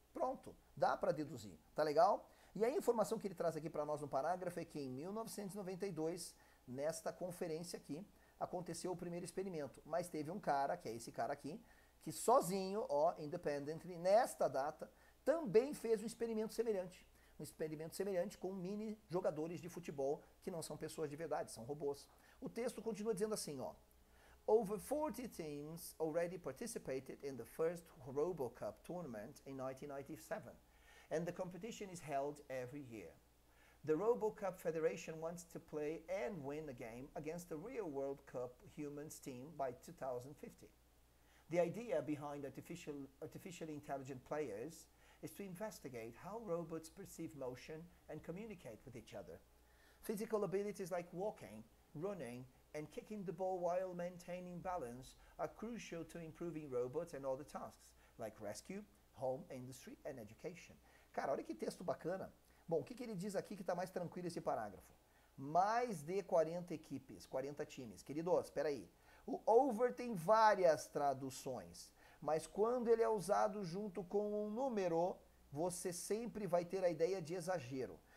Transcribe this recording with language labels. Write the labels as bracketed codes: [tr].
[pt] Pronto, dá para deduzir, tá legal? E a informação que ele traz aqui para nós no parágrafo é que em 1992, nesta conferência aqui, aconteceu o primeiro experimento, mas teve um cara, que é esse cara aqui, que sozinho, ó, independently, nesta data, também fez um experimento semelhante. Um experimento semelhante com mini jogadores de futebol, que não são pessoas de verdade, são robôs. O texto continua dizendo assim, ó: [en] over 40 teams already participated in the first RoboCup tournament in 1997, and the competition is held every year. The RoboCup Federation wants to play and win a game against the Real World Cup Humans team by 2050. The idea behind artificially intelligent players is to investigate how robots perceive motion and communicate with each other. Physical abilities like walking, running, and kicking the ball while maintaining balance are crucial to improving robots and other tasks, like rescue, home, industry, and education. [pt] Cara, olha que texto bacana. Bom, o que que ele diz aqui que está mais tranquilo esse parágrafo? Mais de 40 equipes, 40 times. Queridos, espera aí. O over tem várias traduções, mas quando ele é usado junto com um número, você sempre vai ter a ideia de exagero.